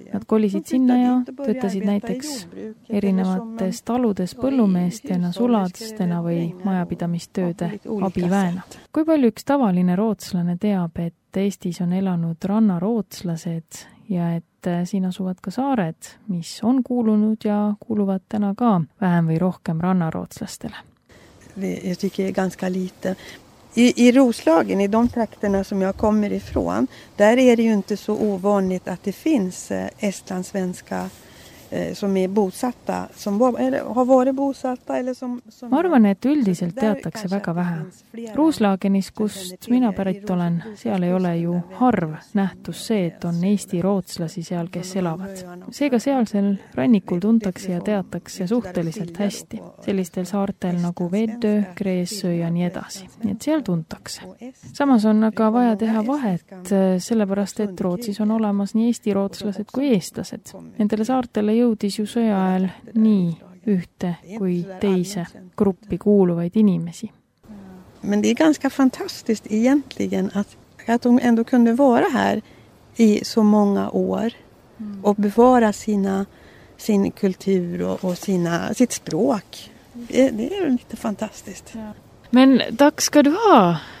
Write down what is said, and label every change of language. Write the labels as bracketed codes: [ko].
[et] Nad kolisid sinna ja töötasid näiteks erinevates taludes põllumeestena, sulatstena või majapidamistööde abiväena. Kui palju üks tavaline rootslane teab, et Eestis on elanud rannarootslased ja et siin asuvad ka saared, mis on kuulunud ja kuuluvad täna ka vähem või rohkem rannarootslastele. [sv] Jag tycker är ganska lite. I Roslagen, i de trakterna som jag kommer ifrån, där är det ju inte så ovanligt att det finns estlandssvenska som är bosatta, som har varit bosatta eller som [et] ma arvan, et üldiselt teatakse väga vähe. Ruuslaagenis, kust mina pärit olen, seal ei ole ju harv nähtus see, et on Eesti rootslasi seal, kes elavad. Seega sealsel rannikul tuntakse ja teatakse suhteliselt hästi. Sellistel saartel nagu Veddö, Kreesö ja nii edasi. Nii et seal tuntakse. Samas on aga vaja teha vahet, sellepärast, et Rootsis on olemas nii Eesti rootslased kui eestlased. Nendele saartele jõudis ju sõja ajal nii ühte kui teise gruppi kuuluvaid inimesi. [sv] Men det är ganska fantastiskt egentligen att de ändå kunde vara här i så många år och bevara sin kultur och sitt språk. Det är lite fantastiskt. Men tack ska du ha.